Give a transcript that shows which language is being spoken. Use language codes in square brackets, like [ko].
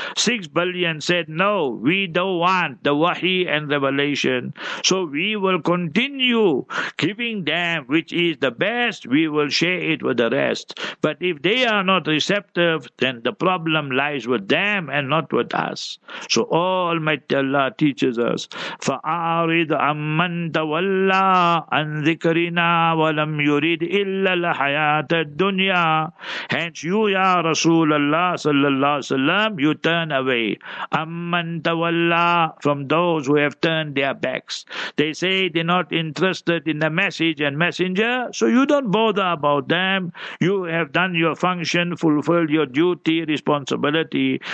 [en] 6 billion said, no, we don't want the wahi and revelation. So we will continue giving them which is the best. We will share it with the rest. But if they are not receptive, then the problem lies with them and not with us. So Almighty Allah teaches us, [ar] فَأَعْرِضْ عَمَّنْ تَوَلَّىٰ عَنْ ذِكْرِنَا وَلَمْ يُرِدْ إِلَّا الْحَيَاةَ الدُّنْيَا. [en] Hence you, Ya Rasul Allah sallallahu alaihi wasallam, you turn away. Amman tawalla, from those who have turned their backs. They say they're not interested in the message and messenger, so you don't bother about them. You have done your function, fulfilled your duty, responsibility.